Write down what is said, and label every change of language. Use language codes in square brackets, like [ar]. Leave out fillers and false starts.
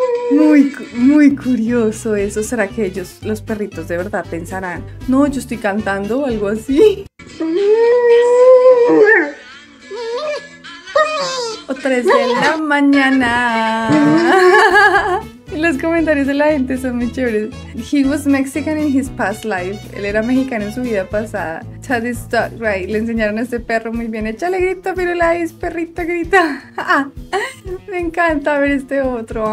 [es] Muy, muy curioso eso. ¿Será que ellos, los perritos, de verdad pensarán, no, yo estoy cantando o algo así? O 3 de la mañana. Los comentarios de la gente son muy chéveres. [en] He was Mexican in his past life. [es] Él era mexicano en su vida pasada. [en] Tad is stuck, right? [es] Le enseñaron a este perro muy bien. Échale grito, Pirulais, perrito grita. Me encanta ver este otro.